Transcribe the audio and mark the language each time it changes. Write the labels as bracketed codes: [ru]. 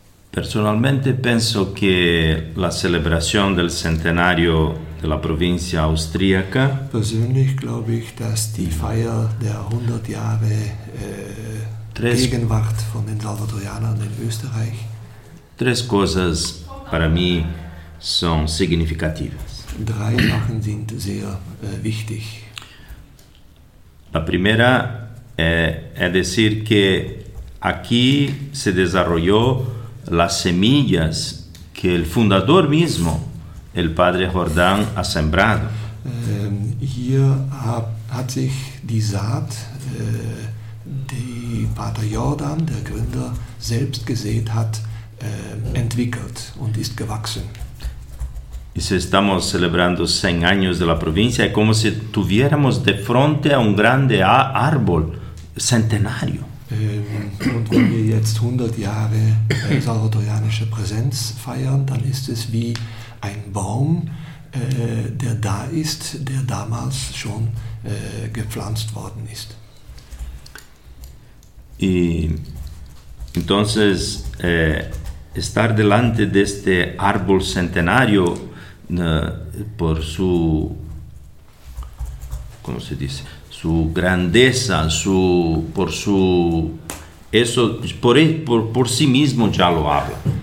[es] Personalmente penso que la celebración del centenario de la provincia austríaca. [de] Persönlich glaube ich, dass die Feier der 100 Jahre Gegenwart von den Salvatorianern in Österreich. [es] Tres cosas para mí son significativas. [de] Drei Sachen sind sehr wichtig. [es] La primera es decir que aquí se desarrolló las semillas que el fundador mismo, el padre Jordán, ha sembrado. [de] Hier hat sich die Saat, die Pater Jordan, der Gründer, selbst gesät hat, entwickelt und ist gewachsen. [es] Y si estamos celebrando 100 años de la provincia, es como si tuviéramos de frente a un grande árbol centenario. [de] Und wenn wir jetzt 100 Jahre salvadorianische Präsenz feiern, dann ist es wie ein Baum, der da ist, der damals schon gepflanzt worden ist. [es] Y entonces estar delante de este árbol centenario por su, ¿cómo se dice? Su grandeza, su, por su, eso, por sí mismo ya lo habla.